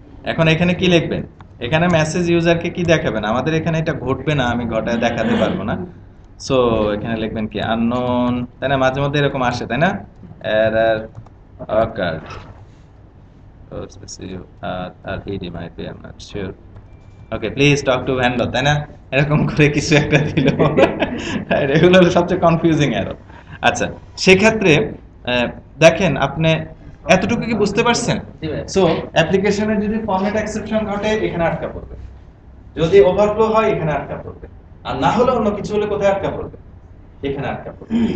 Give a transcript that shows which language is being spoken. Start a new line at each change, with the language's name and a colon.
Bangla: এখন এখানে কি লিখবেন? এখানে মেসেজ ইউজারকে কি দেখাবেন? আমাদের এখানে এটা ঘটবে না, আমি ঘটায় দেখাতে পারবো না, সো এখানে লিখবেন কি আননোন, তাই না? মাঝে মধ্যে এরকম আসে, তাই না?
English: Error occurred or specifically at ED, I'm not sure. Okay, please talk to vendor,
Bangla: তাই না? এরকম করে কিছু একটা দিল, রেগুলার সবচেয়ে কনফিউজিং এরর। আচ্ছা সেক্ষেত্রে দেখেন আপনি এতটুকু কি বুঝতে পারছেন? সো অ্যাপ্লিকেশনে যদি ফরম্যাট এক্সেপশন ঘটে এখানে আটকা পড়বে, যদি ওভারফ্লো হয় এখানে আটকা পড়বে, আর না হলে অন্য কিছু হলে কোথায় আটকা পড়বে? এখানে আটকা পড়বে।